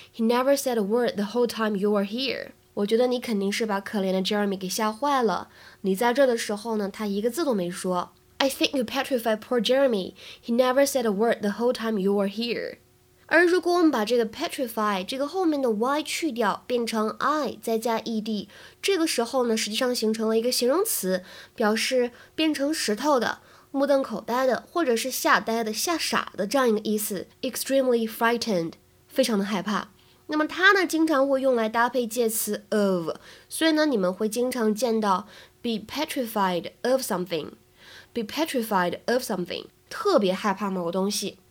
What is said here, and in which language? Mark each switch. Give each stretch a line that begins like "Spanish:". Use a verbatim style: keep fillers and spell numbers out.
English: He never said a word the whole time you were here.
Chinese: 我觉得你肯定是把可怜的 Jeremy 给吓坏了，你在这的时候呢，他一个字都没说。
English: I think you petrified poor Jeremy. He never said a word the whole time you were here.
Chinese: 而如果我们把这个 petrify 这个后面的 y 去掉，变成 I 再加 ed， 这个时候呢，实际上形成了一个形容词，表示变成石头的、目瞪口呆的，或者是吓呆的、吓傻的这样一个意思。
English: Extremely frightened，
Chinese: 非常的害怕。那么它呢经常会用来搭配介词 of， 所以呢你们会经常见到
English: be petrified of something
Chinese: be petrified of something 特别害怕某个东西。